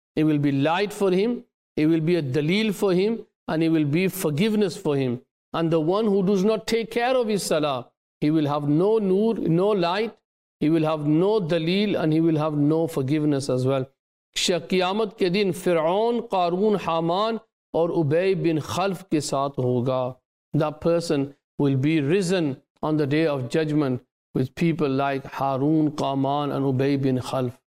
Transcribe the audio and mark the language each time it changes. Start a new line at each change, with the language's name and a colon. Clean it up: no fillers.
English: It will be light for him, it will be a dalil for him, and it will be forgiveness for him. And the one who does not take care of his salah, he will have no noor, no light, he will have no dalil, and he will have no forgiveness as well.
Urdu: Qiyamat ke din
English: Fir'aun, Qarun, Haman,
Urdu: اور عبید بن خلف کے ساتھ ہوگا.
English: The person will be risen on the day of judgement with people like Haroon Qaman and Ubaid bin Khalaf.